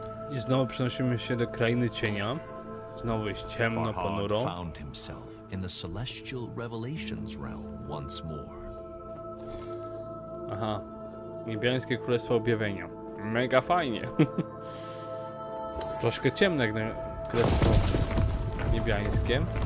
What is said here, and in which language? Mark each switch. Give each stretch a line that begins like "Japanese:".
Polish: I znowu przenosimy się do krainy cienia. Znowu jest ciemno, ponuro.
English: Found himself in the celestial revelations realm once more.
Polish: Aha, niebiańskie królestwo objawienia. Mega fajnie. Troszkę ciemne jak na królestwo niebiańskie.